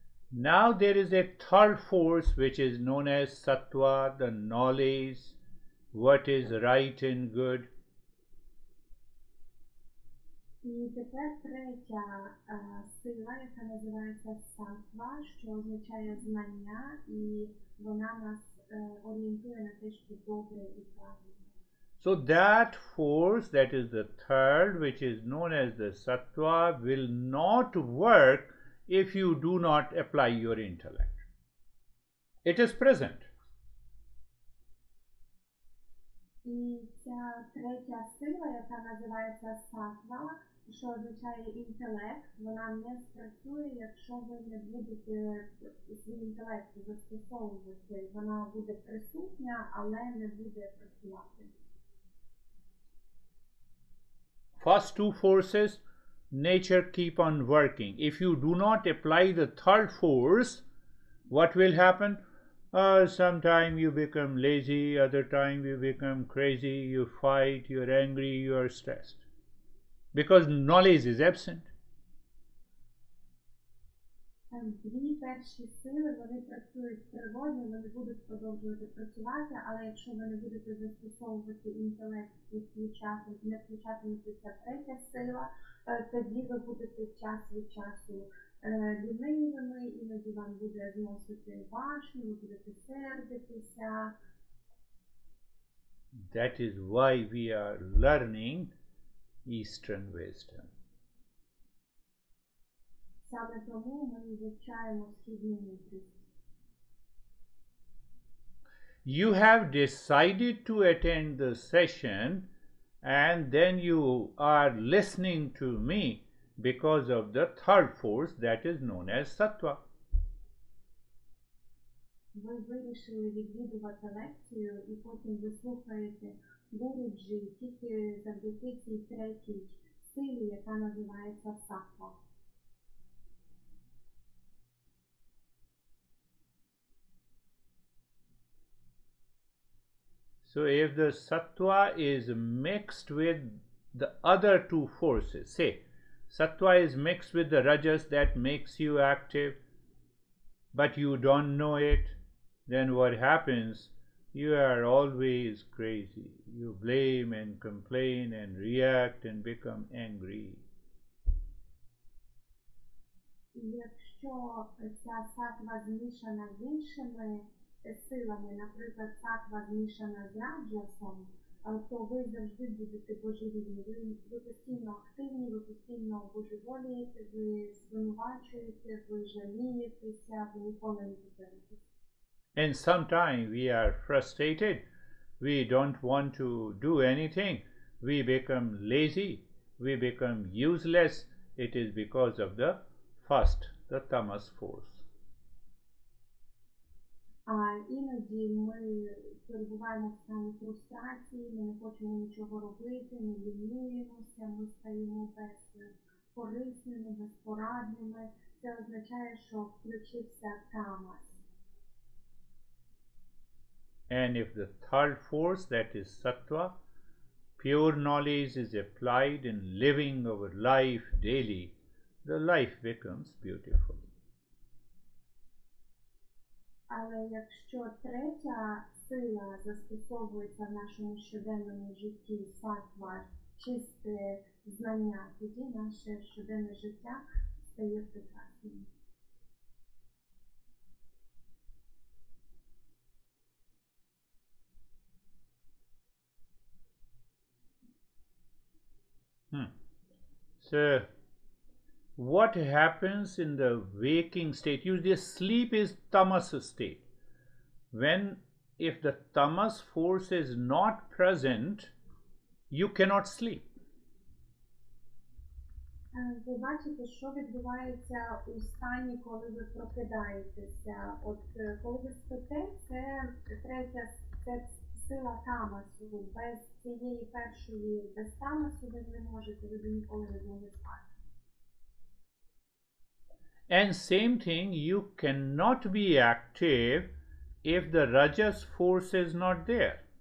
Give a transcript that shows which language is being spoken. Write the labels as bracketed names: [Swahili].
[English] Now there is a third force which is known as sattva, the knowledge, what is right and good. [Ukrainian] І тепер третя сила, яка називається сатва, що означає знання, і вона нас орієнтує на те, що добре і правильно. [English] So that force, that is the third, which is known as the sattva, will not work if you do not apply your intellect. It is present. [Ukrainian] І ця третя сила, яка називається сатва, що означає інтелект, вона не спрацює, якщо ви не будете свій інтелект застосовувати. Вона буде присутня, але не буде працювати. [English] First two forces, nature keep on working. If you do not apply the third force, what will happen? Sometime you become lazy, other time you become crazy, you fight, you are angry, you are stressed. Because knowledge is absent. [Ukrainian] Дві перші сили, вони працюють природно, вони будуть продовжувати працювати, але якщо ви не будете застосовувати інтелект і не включатиметься третя сила, тоді ви будете час від часу лінивими, іноді вам буде зносити важко, ви будете сердитися. [English] That is why we are learning Eastern wisdom. [Ukrainian] Саме тому ми вивчаємо східну мудрість. [English] You have decided to attend the session and then you are listening to me because of the third force that is known as sattva. [Ukrainian] Ви вирішили відвідувати лекцію і потім ви слухаєте Буруджі тільки завдяки цій третій силі, яка називається сахва. [English] So if the sattva is mixed with the other two forces, say, sattva is mixed with the rajas that makes you active, but you don't know it, then what happens? You are always crazy. You blame and complain and react and become angry. [Ukrainian] Якщо ця сатва змішана з іншими силами, наприклад, сатва змішана з раджасом, то ви завжди будете божевільні. Ви постійно активні, ви постійно божеволієте, ви звинувачуєте, ви жалієтеся, ви ніколи не зупинитеся. [English] And sometimes we are frustrated, we don't want to do anything, we become lazy, we become useless, it is because of the first, the tamas force. [Ukrainian] Іноді ми перебуваємо в стані фрустрації, ми не хочемо нічого робити, ми лінуємося, ми стаємо безкорисними, безпорадними, це означає, що включився тамас. [English] And if the third force, that is sattva, pure knowledge is applied in living our life daily, the life becomes beautiful. [Ukrainian] Але якщо третя сила застосовується в нашому щоденному житті, сатва, чисте знання, тоді наше щоденне життя стає прекрасним. [English] So, what happens in the waking state? Usually sleep is tamas state. If the tamas force is not present, you cannot sleep. [Ukrainian] Ви бачите, що відбувається у стані, коли ви прокидаєтеся. От коли ви спите, це третя це сила тамасу. Без цієї першої, без тамасу ви не можете, ви ніколи не будете спати. [English] And same thing, you cannot be active if the rajas force is not there.